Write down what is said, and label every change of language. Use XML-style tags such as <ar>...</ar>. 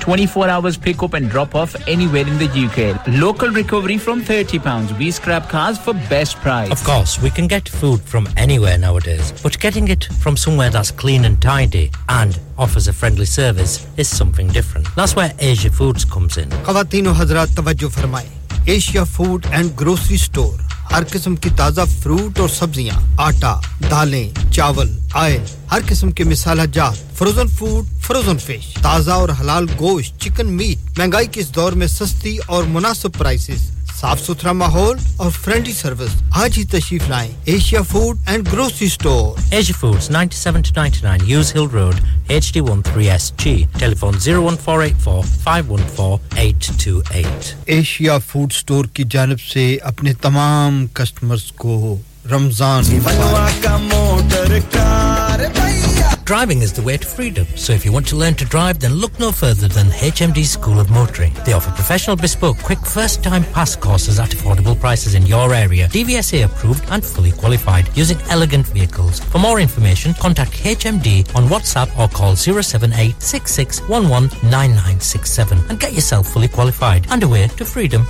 <en>24 hours pick up and drop off anywhere in the UK. Local recovery from £30. We scrap cars for best price. Of course, we can get food from anywhere nowadays, but getting it from somewhere that's clean and tidy and offers a friendly service is something different. That's where Asia Foods comes in.</en> <ur>Khawateen o Hazrat, tawajjuh farmaye. Asia Food and Grocery Store ہر قسم کی تازہ fruit اور سبزیاں آٹا دالیں چاول oil ہر قسم کے مصالحہ جات فروزن فوڈ فروزن فش تازہ اور حلال گوشت چکن میٹ مہنگائی کے اس دور میں سستی اور مناسب پرائسز صاف ستھرا ماحول اور فرینڈلی سروس آج ہی تشریف لائیں Asia food and grocery store Asia foods 97-99 use ہل road HD13SG telephone 01484-514-828 Asia food store کی جانب سے اپنے تمام کسٹمرز کو رمضان</ur> <en>Driving is the way to freedom, so if you want to learn to drive, then look no further than HMD School of Motoring. They offer professional bespoke quick first-time pass courses at affordable prices in your area. DVSA approved and fully qualified, using elegant vehicles. For more information, contact HMD on WhatsApp or call 078-6611-9967 and get yourself fully qualified and away to freedom.</en>